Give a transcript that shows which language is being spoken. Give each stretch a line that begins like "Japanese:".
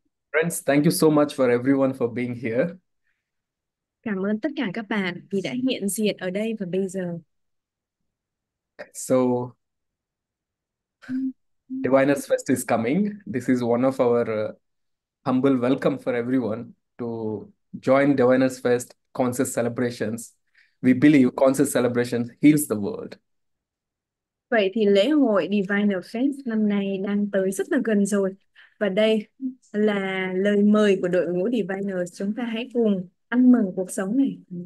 English: Friends, thank you so much for everyone for being here.
Vietnamese: Cảm ơn tất cả các bạn vì đã hiện diện ở đây và bây giờ.
English: So, Diviners Fest is coming. This is one of our humble welcome for everyone to join Diviners Fest Conscious Celebrations. We believe conscious celebration heals the world.
Vietnamese: Vậy thì lễ hội Diviner Fest năm nay đang tới rất là gần rồi. Và đây là lời mời của đội ngũ Diviner. Chúng ta hãy cùng ăn mừng cuộc sống này.